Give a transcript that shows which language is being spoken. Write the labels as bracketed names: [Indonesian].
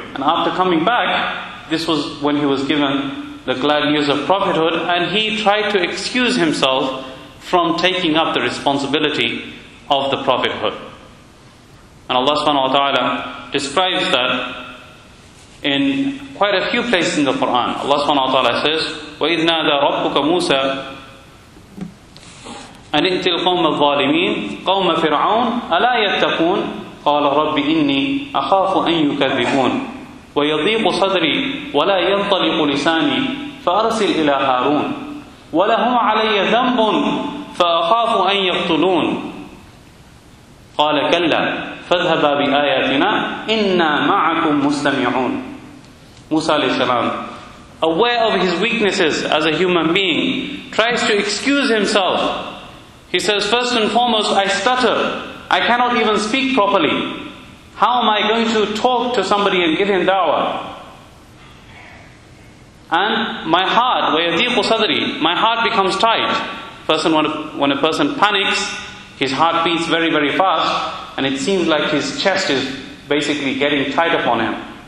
[English] And after coming back, this was when he was given the glad news of prophethood, and he tried to excuse himself from taking up the responsibility of the prophethood. And Allah subhanahu wa ta'ala describes that in quite a few places in the Quran. Allah subhanahu wa ta'ala says, [Arabic] وَإِذْ نَادَى رَبُّكَ مُوسَىٰ أَنِ ائْتِ الْقَوْمَ الظَّالِمِينَ قَوْمَ فِرْعَوْنَ أَلَا يَتَّقُونَ قَالَ رَبِّ إِنِّي أَخَافُ أَن يُكَذِّبُونَ وَيَضِيقُ صَدْرِي وَلَا يَنْطَلِقُ لِسَانِي فَأَرْسِلْ إِلَىٰ هَارُونَ وَلَهُمْ عَلَيَّ ذَنْبٌ فَأَخَافُ أَن يَقْتُلُونَ قَالَ كَلَّا فَاذْهَبَا بِآيَاتِنَا إِنَّا مَعَكُمْ مُسْلَمِعُونَ [English] Musa alayhi salam, aware of his weaknesses as a human being, tries to excuse himself. He says, first and foremost, I stutter. I cannot even speak properly. How am I going to talk to somebody and give him da'wah? And my heart, [Arabic] وَيَذِيقُ صَدْرِي, [English] my heart becomes tight. Person, when a person panics, his heart beats very, very fast, and it seems like his chest is basically getting tight upon him.